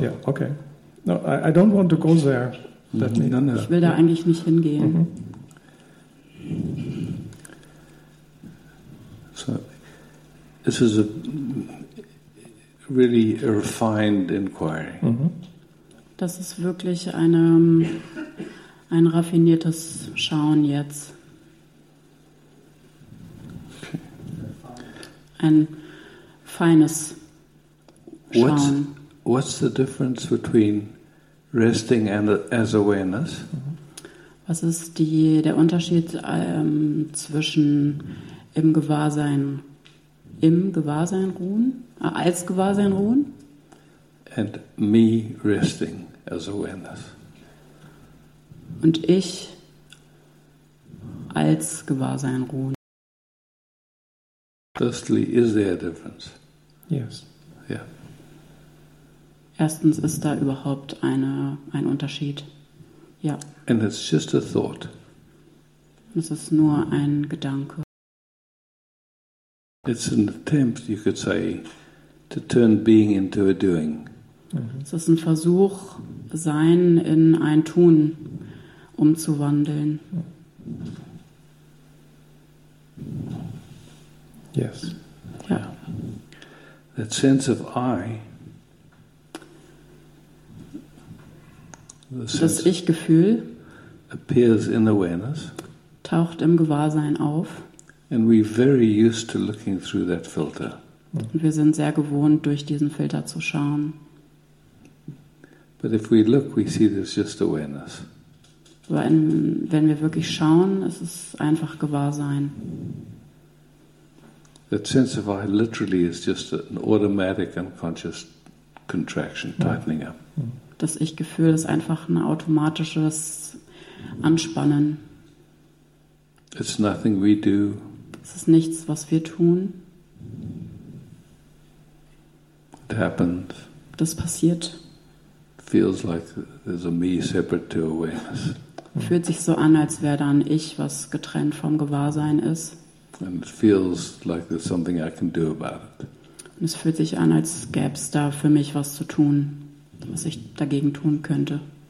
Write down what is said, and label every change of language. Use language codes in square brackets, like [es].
[en] Yeah, okay. No, I don't want to go there. That mm-hmm. means, [de] ich will da eigentlich nicht hingehen. Mm-hmm. [en] So, this is a really a refined inquiry. Mm-hmm. [de] Das ist wirklich eine, ein raffiniertes Schauen jetzt. Ein feines Schauen. [en] What's the difference between resting and as awareness? [de] Was ist der Unterschied zwischen im Gewahrsein ruhen, als Gewahrsein ruhen? [en] And me resting as awareness. [de] Und ich als Gewahrsein ruhen. [en] Firstly, is there a difference? Yes. Yeah. [de] Erstens, ist da überhaupt ein Unterschied? Ja. [en] And it's just a thought. [de] Es ist nur ein Gedanke. [en] It's an attempt, you could say, to turn being into a doing. [de] Es ist ein Versuch, Sein in ein Tun umzuwandeln. [en] Yes. Yeah. That sense of I. [de] Das Ich-Gefühl [en] appears in awareness. [de] Taucht im Gewahrsein auf. [en] And we're very used to looking through that filter. [de] Wir sind sehr gewohnt, durch diesen Filter zu schauen. [en] But if we look, we see there's just awareness. [de] Wenn wir wirklich schauen, ist es einfach Gewahrsein. [en] That sense of I literally is just an automatic unconscious contraction, tightening up. [de] Das Ich-Gefühl ist einfach ein automatisches Anspannen. [en] It's nothing we do. [de] Es ist nichts, was wir tun. [en] It happens. [de] Das passiert. [en] Feels like there's a me separate to awareness. [de] Fühlt sich so an, als wäre da ein Ich, was getrennt vom Gewahrsein ist. [en] And it feels like there's something I can do about it. [de] Und es fühlt sich an, als gäbe es da für mich was zu tun, was ich dagegen tun könnte.